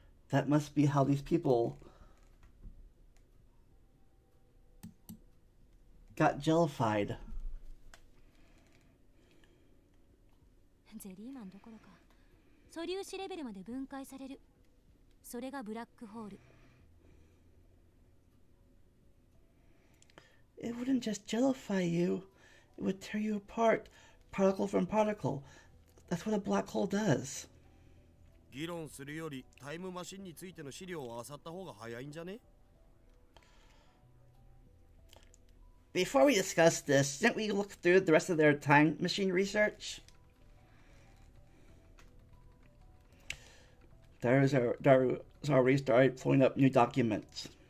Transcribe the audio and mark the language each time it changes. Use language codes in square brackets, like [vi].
[en] That must be how these people got jellified. [ja] ゼリーマンどころか素粒子レベルまで分解される。それがブラックホール。 [en] It wouldn't just jellify you. It would tear you apart, particle from particle. That's what a black hole does. [ja] 議論するよりタイムマシンについての資料を漁った方が早いんじゃね? [en] Before we discuss this, didn't we look through the rest of their time machine research? Daru started pulling up new documents.